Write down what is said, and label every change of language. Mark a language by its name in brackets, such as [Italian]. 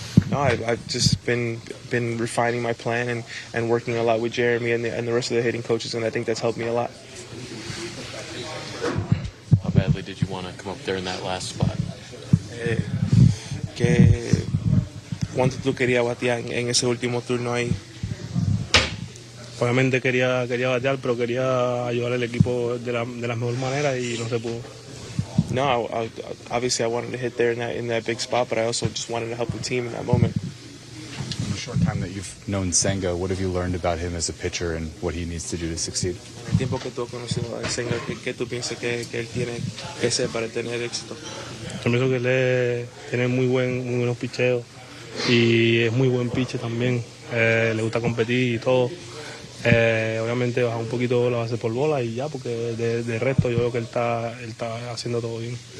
[English] No, I've just been refining my plan and working a lot with Jeremy and the rest of the hitting coaches, and I think that's helped me a lot. How badly did you want to come up there in that last spot? [Spanish] Que ¿cuánto tú querías batear en ese último turno ahí? Obviamente quería batear, pero quería ayudar al equipo de la mejor manera y no se pudo. [English] No, obviously I wanted to hit there in that big spot, but I also just wanted to help the team in that moment. In the short time that you've known Senga, what have you learned about him as a pitcher and what he needs to do to succeed? [Spanish] En el tiempo que tú has conocido a Senga, ¿qué tú piensas que él tiene que ser para tener éxito? Yo pienso que él tiene muy buenos picheos. Y es muy buen pitcher también, le gusta competir y todo. Obviamente baja un poquito la base por bola y ya, porque de resto yo veo que él está haciendo todo bien.